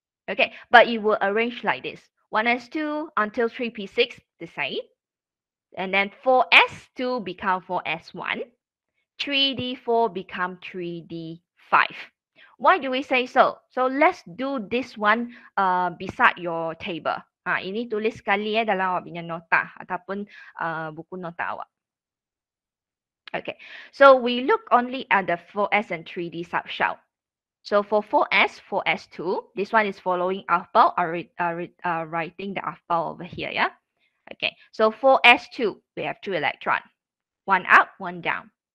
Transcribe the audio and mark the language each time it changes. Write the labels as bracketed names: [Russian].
[English] Okay, but it will arrange like this. 1s2 until 3p6, the same. And then 4s2 become 4s1. 3d4 become 3d5. Why do we say so? So let's do this one beside your table. [Malay] Ini tulis sekali dalam awak punya nota ataupun buku nota awak. [English] Okay, so we look only at the 4s and 3d subshell. So for 4s, 4s2, this one is following alpha, writing the alpha over here, yeah? Okay, so 4s2, we have two electrons. One up, one down.